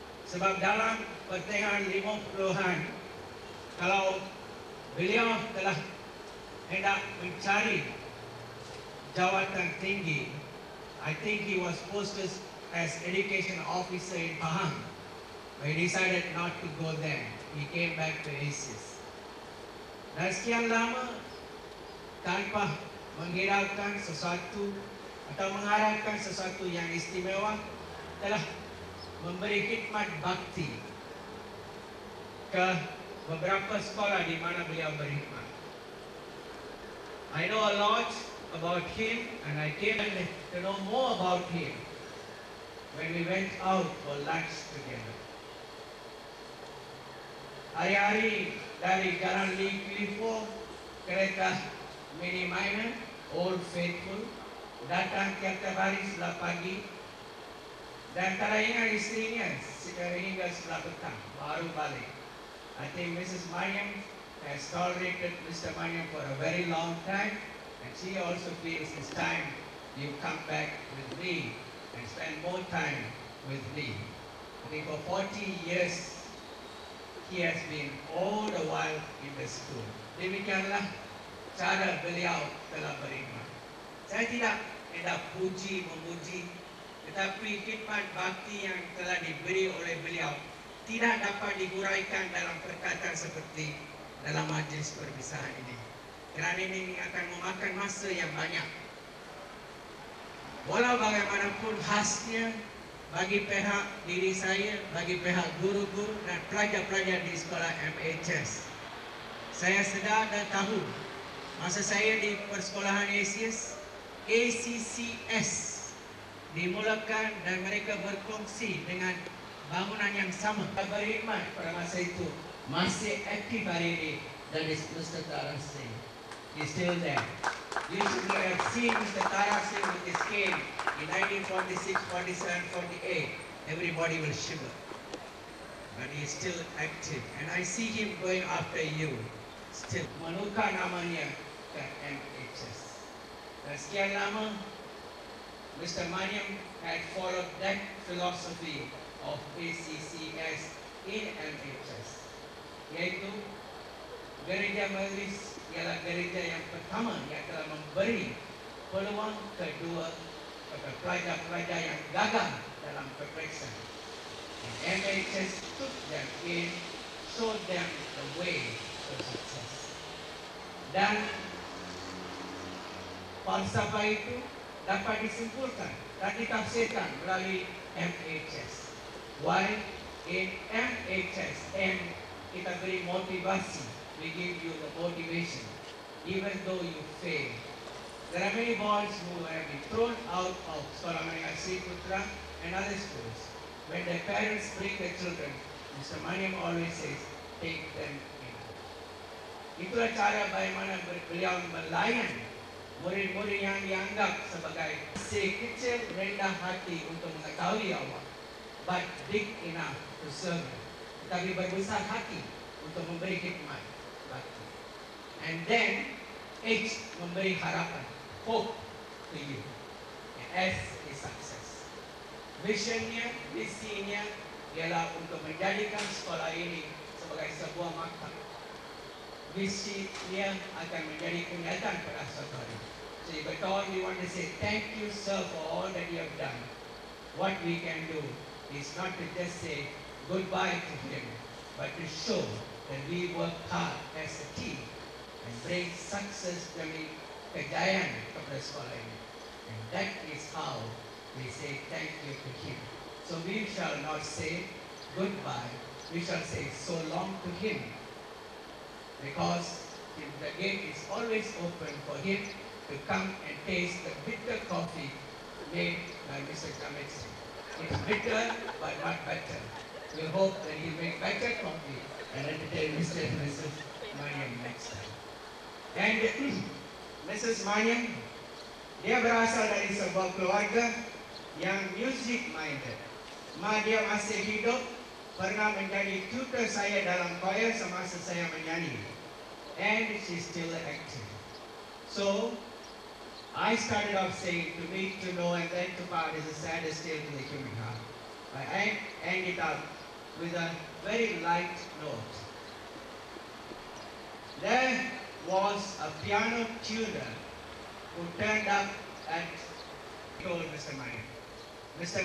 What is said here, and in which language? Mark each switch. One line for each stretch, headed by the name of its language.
Malay: Sebab dalam pertengahan 50-an, kalau beliau telah hendak mencari jawatan tinggi,
English: I think he was posted as education officer in Pahang, but he decided not to go there. He came back to ISIS.
Malay: Dan sekian lama, tanpa menghiraukan sesuatu atau mengharapkan sesuatu yang istimewa, telah memberi khidmat bakti ke beberapa sekolah di mana beliau berkhidmat.
English: I know a lot about him and I came to know more about him when we went out for lunch together.
Malay: Hari-hari dari Jalan Linklifo, kereta mini minor, Old Faithful, datang tiap-tiap hari setelah pagi. Dan tak ingat istrinya, sehingga setelah petang, baru balik.
English: I think
Malay: Mrs.
English: Maniam has tolerated Mr. Maniam for a very long time. And she also feels it's time you come back with me and spend more time with me. I mean, for 40 years, he has been all the while in the school.
Malay: Demikianlah cara beliau telah beriman. Saya tidak hendak puji, memuji, tetapi khidmat bakti yang telah diberi oleh beliau tidak dapat diguraikan dalam perkataan seperti dalam majlis perpisahan ini. Kerana ini akan memakan masa yang banyak. Walau bagaimanapun khasnya bagi pihak diri saya, bagi pihak guru-guru dan pelajar-pelajar di sekolah MHS. Saya sedar dan tahu masa saya di persekolahan ACS, ACCS dimulakan dan mereka berkongsi dengan bangunan yang sama. Saya beriman pada masa itu masih aktif hari ini dan di Mr.
English: Tarak Singh. He's still there. You should have seen Mr. Tarak Singh with his cane in 1946, 47, 48. Everybody will shiver. But he's still active. And I see him going after you. Still.
Malay: Manuka namanya ke MHS. Dan sekian lama,
English: Mr. Maniam had followed that philosophy of ACCS in MHS.
Malay: Yaitu, Gereja Majlis ialah gereja yang pertama yang telah memberi peluang kedua kepada pelajar-pelajar yang gagal dalam peperiksaan.
English: And MHS took them in, showed them the way to success.
Malay: Dan falsafah itu dapat disimpulkan dan ditafsirkan melalui MHS.
English: Why? In MHS, M,
Malay: kita beri motivasi.
English: We give you the motivation, even though you fail. There are many boys who have been thrown out of Subramaniam Putra and other schools. When their parents bring their children, Mr. Maniam always says, take them in.
Malay: Itulah cara bagaimana beliau melayan murid-murid yang dianggap sebagai sekecil rendah hati untuk mengetahui Allah,
English: but big enough to serve.
Malay: Tetapi berbesar hati untuk memberi khidmat.
English: And then H
Malay: memberi harapan,
English: hope to you. And S is success.
Malay: Visionnya, misinya ialah untuk menjadikan sekolah ini sebagai sebuah maktab. Visinya akan menjadi kenyataan pada sekolah ini.
English: So if at all you want to say thank you sir for all that you have done, what we can do is not to just say goodbye to him, but to show that we work hard as a team and bring success to me,
Malay: kejayaan kepada sekolah ini.
English: And that is how we say thank you to him. So we shall not say goodbye, we shall say so long to him. Because the gate is always open for him to come and taste the bitter coffee made by Mr. Jamit Singh. It's bitter, but not better. We hope that he'll make better coffee and entertain Mr. and Mrs. Maniam next time. And Mrs.
Malay: Maniam, dia berasal dari sebuah keluarga yang
English: music minded.
Malay: Ma dia masih hidup, pernah menjadi tutor saya dalam choir semasa saya menyanyi.
English: And she's still active. So, I started off saying to meet, to know, and then to part is the saddest tale to the human heart. But I ended up with a very light note. There was a piano tuner who turned up and told Mr. Maniam. Mr.